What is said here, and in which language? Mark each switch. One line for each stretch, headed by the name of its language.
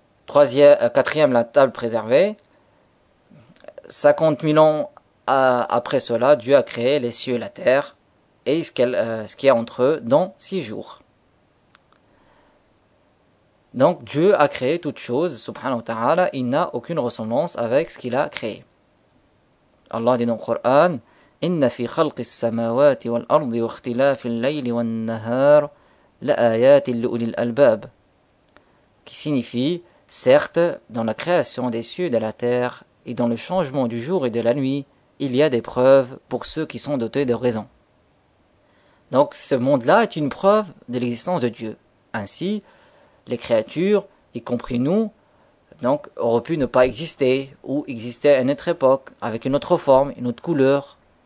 French: Quatrième, la table préservée. 50 000 ans après cela, Dieu a créé les cieux et la terre et ce qu'il y a entre eux dans 6 jours. Donc Dieu a créé toute chose, subhanahu wa ta'ala, il n'a aucune ressemblance avec ce qu'il a créé. Allah dit dans le Coran,
Arabic: إن في خلق السماوات والأرض واختلاف الليل والنهار لآيات لأولي الألباب.
French: Qui signifie, certes, dans la création des cieux et de la terre, et dans le changement du jour et de la nuit, il y a des preuves pour ceux qui sont dotés de raison. Donc ce monde-là est une preuve de l'existence de Dieu. Ainsi, les créatures, y compris nous, donc, auraient pu ne pas exister, ou exister à une autre époque, avec une autre forme, une autre couleur.